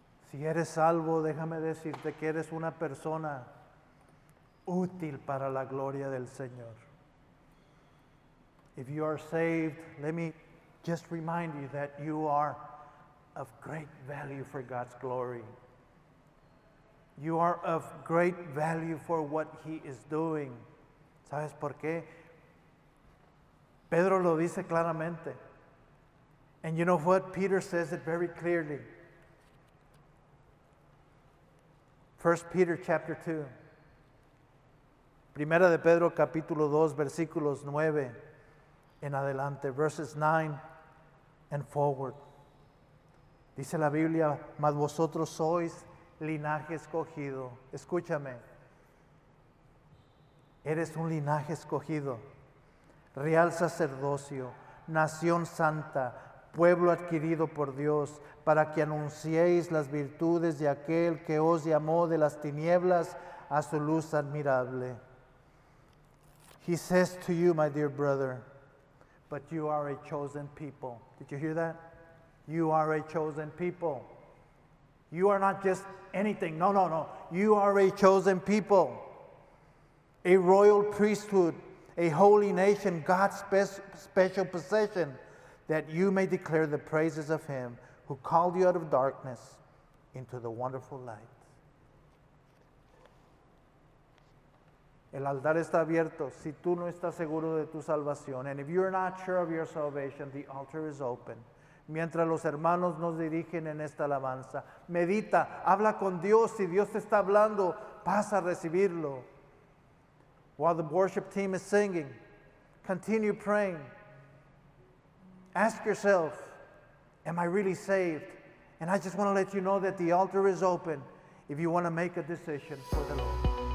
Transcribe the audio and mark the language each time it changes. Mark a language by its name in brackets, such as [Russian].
[Spanish] Si eres salvo, déjame decirte que eres una persona útil para la gloria del Señor. [English] If you are saved, let me just remind you that you are of great value for God's glory. You are of great value for what he is doing. [Spanish] ¿Sabes por qué? Pedro lo dice claramente. [English] And you know what? Peter says it very clearly. 1 Peter chapter 2. [Spanish] Primera de Pedro capítulo 2, versículos 9 en adelante. [English] Verses 9 and forward. [Spanish] Dice la Biblia, mas vosotros sois linaje escogido. Escúchame. Eres un linaje escogido. Real sacerdocio, nación santa, pueblo adquirido por Dios, para que anunciéis las virtudes de aquel que os llamó de las tinieblas a su luz admirable. [English] He says to you, my dear brother, but you are a chosen people. Did you hear that? You are a chosen people. You are not just anything. No, no, no. You are a chosen people. A royal priesthood, a holy nation, God's best special possession, that you may declare the praises of him who called you out of darkness into the wonderful light. [Spanish] El altar está abierto. Si tú no estás seguro de tu salvación, [English] and if you're not sure of your salvation, the altar is open. [Spanish] Mientras los hermanos nos dirigen en esta alabanza, medita, habla con Dios. Si Dios te está hablando, pasa a recibirlo. [English] While the worship team is singing, continue praying. Ask yourself, am I really saved? And I just want to let you know that the altar is open if you want to make a decision for the Lord.